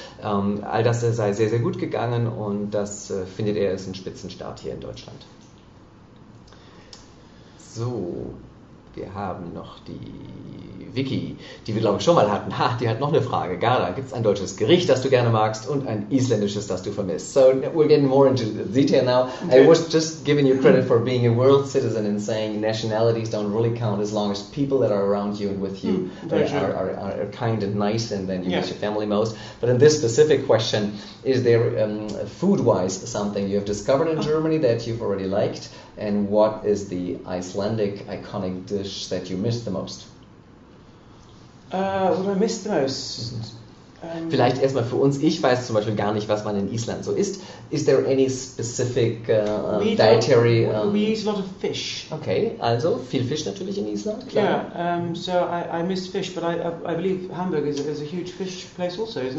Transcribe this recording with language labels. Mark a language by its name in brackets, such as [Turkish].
[German] So, all das sei sehr, sehr gut gegangen. Und das findet er, ist ein Spitzenstart hier in Deutschland. So. Wir haben noch die Vicky, die wir, glaube ich, schon mal hatten. Ha, die hat noch eine Frage. Gerda, gibt es ein deutsches Gericht, das du gerne magst, und ein isländisches, das du vermisst? [English] So, we're getting more into the detail now. Okay. I was just giving you credit for being a world citizen and saying nationalities don't really count as long as people that are around you and with you are kind and nice, and then you miss your family most. But in this specific question, is there food-wise something you have discovered in Germany that you've already liked? And what is the Icelandic iconic dish that you miss the most? What I miss the most? [German] Vielleicht erstmal für uns. Ich weiß zum Beispiel gar nicht, was man in Island so isst. [English] Is there any specific dietary? We eat a lot of fish. [German] Okay, also viel Fisch natürlich in Island. [English] Klar. Yeah, so I miss fish, but I believe Hamburg is a huge fish place also, isn't